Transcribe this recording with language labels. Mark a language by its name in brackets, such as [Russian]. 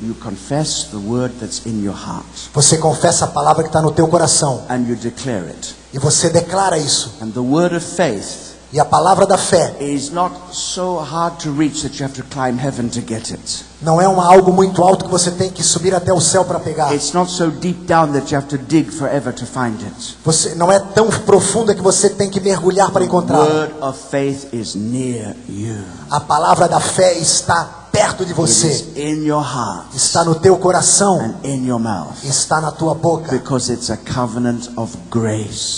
[English] you confess the word that's in your heart. [Portuguese] Você confessa a palavra que está no teu coração. [English] And you declare it. [Portuguese] E você declara isso. [English] And the word of faith. [Portuguese] E a palavra da fé. [English] It's not so hard to reach that you have to climb heaven to get it. [Portuguese] Não é algo muito alto que você tem que subir até o céu para pegar. [English] It's not so deep down that you have to dig forever to find it. [Portuguese] Você não é tão profundo que você tem que mergulhar para encontrar. [English] The word of faith is near you. [Portuguese] A palavra da fé está perto de você. [English] It is in your heart. [Portuguese] Está no teu coração. [English] And in your mouth. [Portuguese] Está na tua boca. [English] Because it's a covenant of grace.